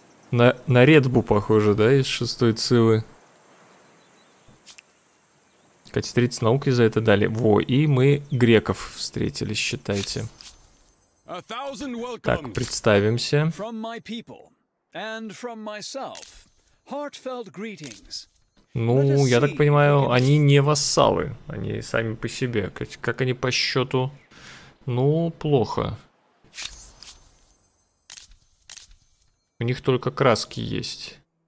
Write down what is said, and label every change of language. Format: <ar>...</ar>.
<ru>На Редбу похоже, да, из шестой цивы. Кстати, 30 науки за это дали. Во, и мы греков встретили, считайте. Так, представимся.</ru> <en>From my people and from myself, heartfelt greetings.</en> <ru>Ну, я так понимаю, они не вассалы. Они сами по себе. Как они по счету? Ну, плохо. У них только краски есть.</ru>